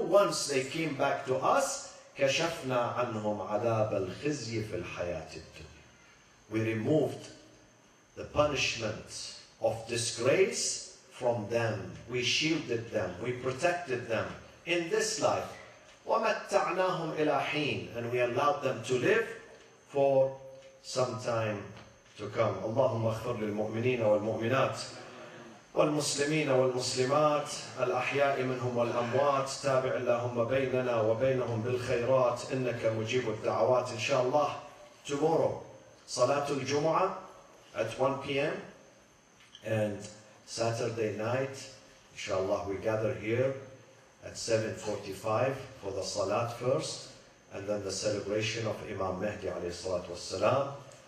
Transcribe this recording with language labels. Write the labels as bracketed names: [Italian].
[English] Once they came back to us, [Arabic] كَشَفْنَا عَنْهُمْ عَذَابَ الْخِزْيِ فِي الْحَيَاةِ الدُّنْيَا. [English] We removed the punishment of disgrace from them. We shielded them. We protected them in this life. [Arabic] وَمَتَّعْنَاهُمْ إِلَى حِينَ. [English] And we allowed them to live for some time to come. [Arabic] اللهم اغفر للمؤمنين والمؤمنات والمسلمين والمسلمات الأحياء منهم والأموات تابع اللهم بيننا وبينهم بالخيرات إنك مجيب الدعوات. إن شاء الله [English] tomorrow [Arabic] صلاة الجمعة [English] at 1 PM and Saturday night إن شاء الله we gather here at 7:45 for the Salat first and then the celebration of Imam Mahdi [Arabic] عليه الصلاة والسلام.